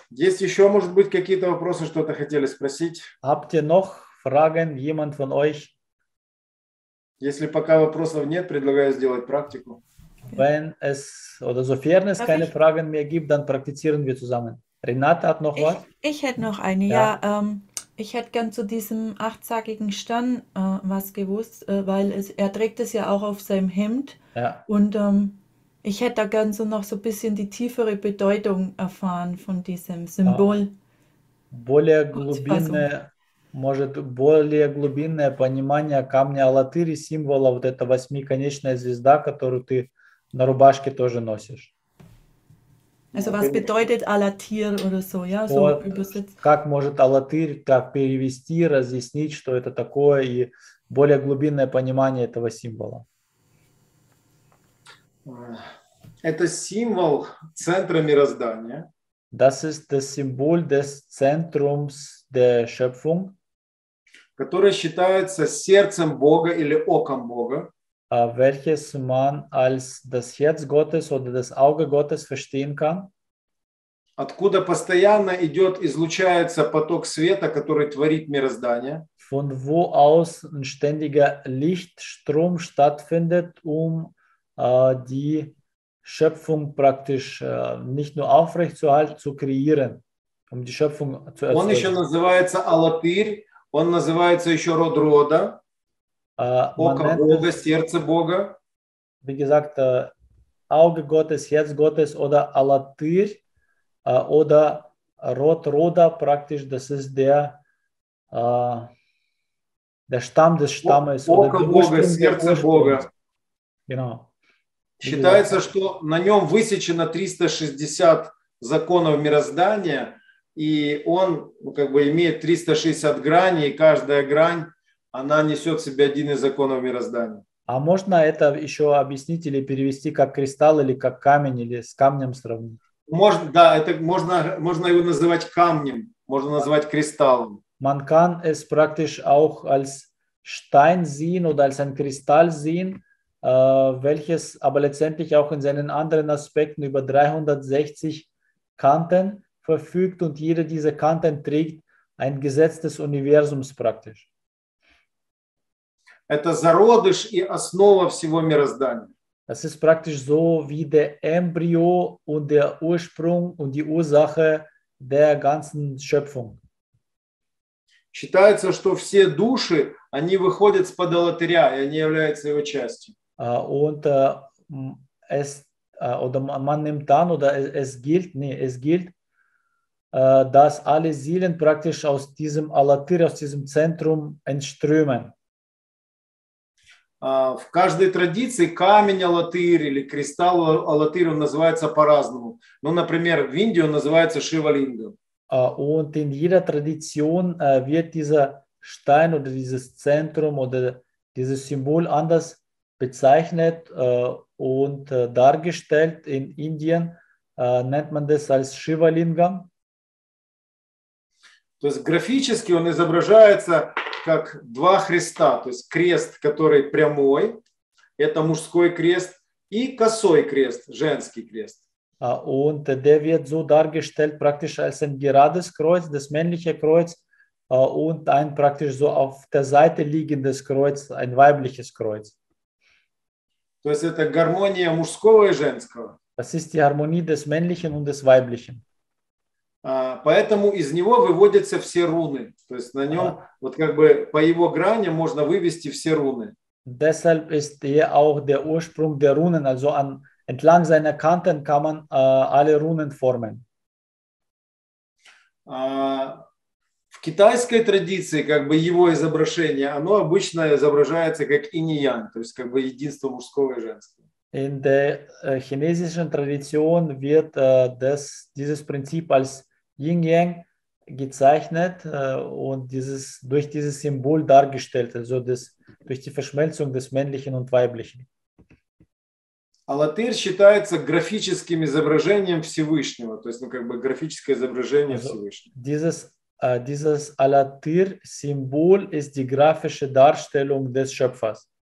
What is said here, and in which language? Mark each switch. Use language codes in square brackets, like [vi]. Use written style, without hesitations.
[ru] Есть еще, может быть, какие-то вопросы, что-то хотели спросить? [de] Habt ihr noch Fragen, jemand von euch? [ru] Если пока вопросов нет, предлагаю сделать практику. [de] Wenn es, oder sofern es keine Fragen mehr gibt, dann praktizieren wir zusammen. Renate hat noch was? Ich hätte noch eine, ja. Ich hätte gern zu diesem achtzackigen Stern was gewusst, weil er trägt es ja auch auf seinem Hemd. Ja. Und ich hätte da gern so noch so ein bisschen die tiefere Bedeutung erfahren von diesem Symbol. [ru] Более глубинное, может, более глубинное понимание камня Алатыри, символа вот эта восьмиконечная звезда, которую ты на рубашке тоже носишь. [de] Also was bedeutet Alatir oder so, ja, so übersetzt. [ru] Как может Алатырь так перевести, разъяснить, что это такое, и более глубинное понимание этого символа? Это символ центра мироздания. [de] Das ist das Symbol des Zentrums der Schöpfung. [ru] Которое считается сердцем Бога или оком Бога. [de] Welches man als das Herz Gottes oder das Auge Gottes verstehen kann. [ru] Откуда постоянно идет, излучается поток света, который творит мироздание. [de] Von wo aus ein ständiger Lichtstrom stattfindet, die Schöpfung praktisch nicht nur aufrechtzuerhalten, zu kreieren, die Schöpfung zu erzeugen. [ru] Он еще называется Алатыр, он называется еще род рода. Бога, сердце Бога. [de] Wie gesagt, Auge Gottes, Herz Gottes oder Alatir oder Rot Roda praktisch, das ist der Stamm des Stammes. [ru] Око Бога, сердце Бога. [de] Genau. [ru] Считается, что на нем высечено 360 законов мироздания, и он как бы имеет 360 граней, и каждая грань она несет в себе один из законов мироздания. А можно это еще объяснить или перевести как кристалл или как камень или с камнем сравнить? Можно, да, это можно его называть камнем, можно назвать кристаллом. [de] Man kann es praktisch auch als Stein sehen oder als ein Kristall sehen, welches aber letztendlich auch in seinen anderen Aspekten über 360 Kanten verfügt und jede dieser Kanten trägt ein Gesetz des Universums praktisch. [ru] Это зародыш и основа всего мироздания. [de] Das ist praktisch so wie der Embryo und der Ursprung und die Ursache der ganzen Schöpfung. [ru] Считается, что все души, они выходят с подалтыря, и они являются его частью. [de] Oder man nimmt an, oder es gilt, dass alle Seelen praktisch aus diesem Alatir, aus diesem Zentrum entströmen. [ru] В каждой традиции камень Алатырь или кристалл Алатырь, он называется по-разному. Ну, например, в Индии он называется Шивалингом. [de] Und in jeder Tradition wird dieser Stein oder dieses Zentrum oder dieses Symbol anders bezeichnet und dargestellt. In Indien nennt man das als Shivalingam. [ru] То есть графически он изображается как два Христа, то есть крест, который прямой, это мужской крест, и косой крест, женский крест. [de] Und der wird so dargestellt, praktisch als ein gerades Kreuz, das männliche Kreuz, und ein praktisch so auf der Seite liegendes Kreuz, ein weibliches Kreuz. [ru] То есть это гармония мужского и женского. [de] Das ist die Harmonie des Männlichen und des Weiblichen. [ru] Поэтому из него выводятся все руны. То есть на нем, вот как бы по его грани можно вывести все руны. [de] Deshalb ist hier auch der Ursprung der Runen, also an entlang seiner Kanten kann man alle Runen formen. [ru] В китайской традиции как бы его изображение, оно обычно изображается как инь-ян, то есть как бы единство мужского и женского. [de] In der chinesischen Tradition wird dieses Prinzip als Yin-Yang gezeichnet und dieses durch dieses Symbol dargestellt, also durch die Verschmelzung des Männlichen und Weiblichen. [ru] Алатырь считается графическим изображением Всевышнего, то есть, ну, как бы графическое изображение [de] Also [ru] Всевышнего. [de] dieses Alatir-Symbol ist die grafische Darstellung des Schöpfers.